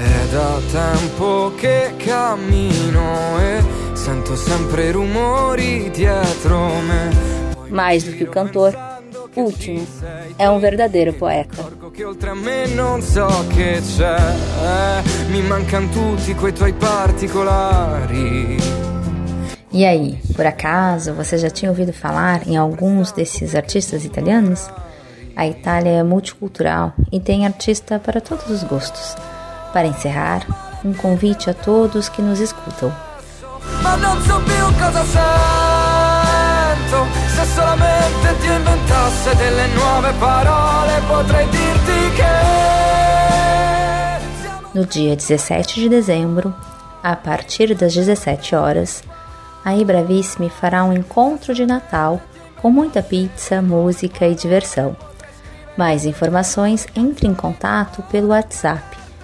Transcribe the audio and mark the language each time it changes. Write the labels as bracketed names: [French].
[Italian] Da tempo che cammino e sento sempre rumori dietro me. [Portuguese] Mais do que o cantor, Ultimo é um verdadeiro poeta. [Italian] Che oltre a me non so che c'è, mi mancano tutti quei tuoi particolari. [Portuguese] E aí, por acaso você já tinha ouvido falar em alguns desses artistas italianos? A Itália é multicultural e tem artista para todos os gostos. Para encerrar, um convite a todos que nos escutam. [Italian] Ma non so più cosa sento, se solamente ti inventasse delle nuove parole, potrei dirti che... [Portuguese] No dia 17 de dezembro, a partir das 17 horas, a Ibravissimi fará um encontro de Natal com muita pizza, música e diversão. Mais informações, entre em contato pelo WhatsApp.